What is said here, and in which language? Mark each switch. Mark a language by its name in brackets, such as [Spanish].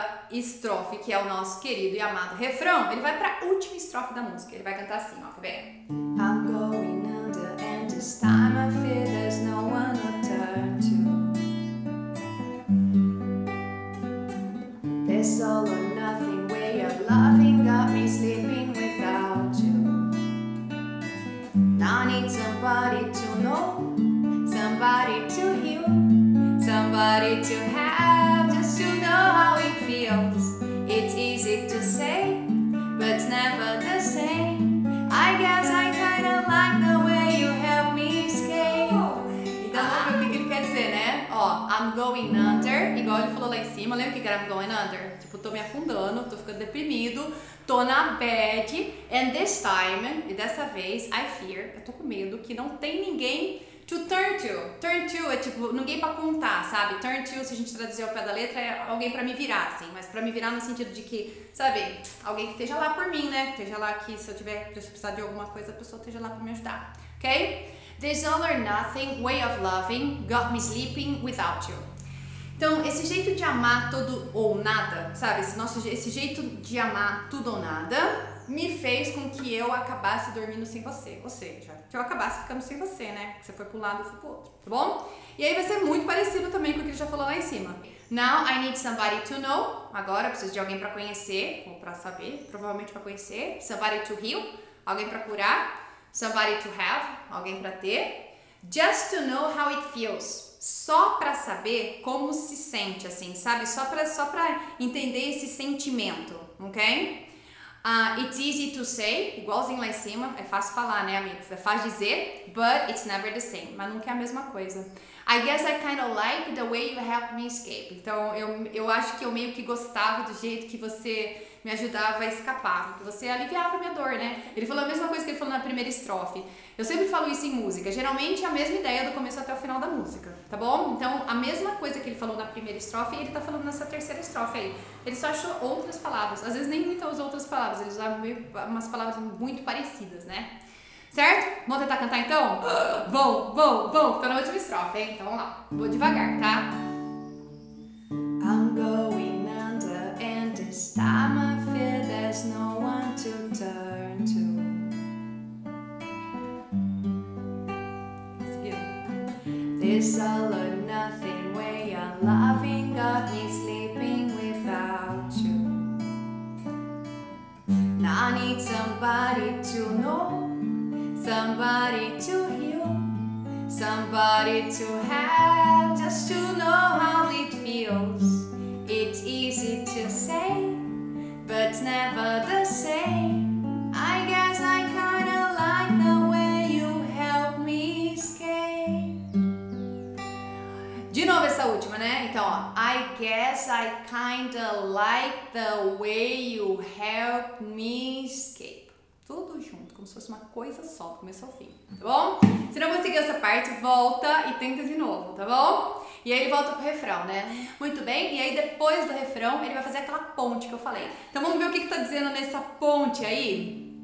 [Portuguese] Estrofe, que é o nosso querido e amado refrão, ele vai para a última estrofe da música. Ele vai cantar assim, ó, quer ver? [English] I'm going under and this time I fear there's no one to turn to. This all or nothing way of loving got me sleeping without you. Now I need somebody to know, somebody to heal, somebody. nobody to have, just to know how it feels. It's easy to say, but never the same. I guess I kinda like the way you help me escape. [Portuguese] Então, lembra o que ele quer dizer, né? Ó, [English] I'm going under, [Portuguese] igual ele falou lá em cima, lembra o que era I'm going under? Tipo, tô me afundando, tô ficando deprimido, tô na bad, [English] and this time, [Portuguese] e dessa vez, [English] I fear, [Portuguese] eu tô com medo que não tem ninguém [English] to turn to. Turn to [Portuguese] é tipo, ninguém pra contar, sabe? Turn to, se a gente traduzir ao pé da letra, é alguém pra me virar, assim. Mas pra me virar no sentido de que, sabe, alguém que esteja lá por mim, né? Esteja lá que se eu tiver, se eu precisar de alguma coisa, a pessoa esteja lá pra me ajudar, ok? [English] This all or nothing way of loving got me sleeping without you. [Portuguese] Então, esse jeito de amar tudo ou nada, sabe? Esse jeito de amar tudo ou nada me fez com que eu acabasse dormindo sem você. Ou seja, que eu acabasse ficando sem você, né? Você foi pro lado, eu fui pro outro, tá bom? E aí vai ser muito parecido também com o que ele já falou lá em cima. [English] Now I need somebody to know. [Portuguese] Agora eu preciso de alguém pra conhecer, ou pra saber, provavelmente pra conhecer. [English] Somebody to heal. [Portuguese] Alguém pra curar. [English] Somebody to have. [Portuguese] Alguém pra ter. [English] Just to know how it feels. [Portuguese] Só pra saber como se sente, assim, sabe? Só pra entender esse sentimento, ok? [English] It's easy to say, [Portuguese] igualzinho lá em cima, é fácil falar, né, amigos? É fácil dizer, [English] but it's never the same. [Portuguese] Mas nunca é a mesma coisa. [English] I guess I kind of like the way you help me escape. [Portuguese] Então, eu acho que eu meio que gostava do jeito que você me ajudava a escapar, que você aliviava a minha dor, né? Ele falou a mesma coisa que ele falou na primeira estrofe. Eu sempre falo isso em música, geralmente é a mesma ideia do começo até o final da música, tá bom? Então, a mesma coisa que ele falou na primeira estrofe, ele tá falando nessa terceira estrofe aí. Ele só achou outras palavras, às vezes nem muitas outras palavras, ele usava umas palavras muito parecidas, né? Certo? Vamos tentar cantar então? Bom, bom, bom, tô na última estrofe, hein? Então, vamos lá. Vou devagar, tá? [English] I'm going under and this time I feel there's no one to turn to. This all or nothing way of loving got me sleeping without you. Now I need somebody to know, somebody to heal, somebody to have, just to know how it feels. It's easy to say, but never the same. I guess I kinda like the way you help me escape. [Portuguese] De novo essa última, né? Então, ó, [English] I guess I kinda like the way you help me escape. [Portuguese] Tudo junto, como se fosse uma coisa só, do começo ao fim, tá bom? Se não conseguiu essa parte, volta e tenta de novo, tá bom? E aí ele volta pro refrão, né? Muito bem, e aí depois do refrão, ele vai fazer aquela ponte que eu falei. Então vamos ver o que tá dizendo nessa ponte aí?